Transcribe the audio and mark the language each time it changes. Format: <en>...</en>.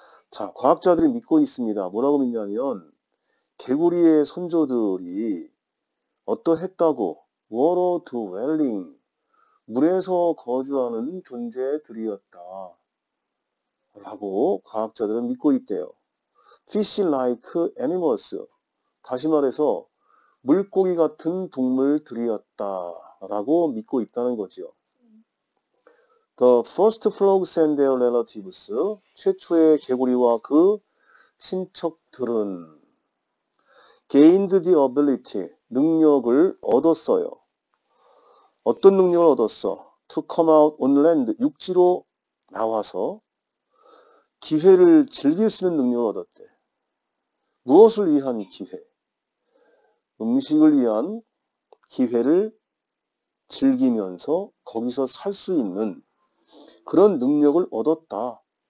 <ko>자, 과학자들이 믿고 있습니다. 뭐라고 믿냐면, 개구리의 선조들이 어떠했다고, water dwelling, 물에서 거주하는 존재들이었다라고 과학자들은 믿고 있대요. fish-like animals, 다시 말해서 물고기 같은 동물들이었다라고 믿고 있다는 거지요.</ko> <en>The first frogs and their relatives,</en> <ko>최초의 개구리와 그 친척들은</ko> <en>gained the ability,</en> <ko>능력을 얻었어요. 어떤 능력을 얻었어?</ko> <en>To come out on land,</en> <ko>육지로 나와서 기회를 즐길 수 있는 능력을 얻었대. 무엇을 위한 기회? 음식을 위한 기회를 즐기면서 거기서 살수 있는 그런 능력을 얻었다.</ko>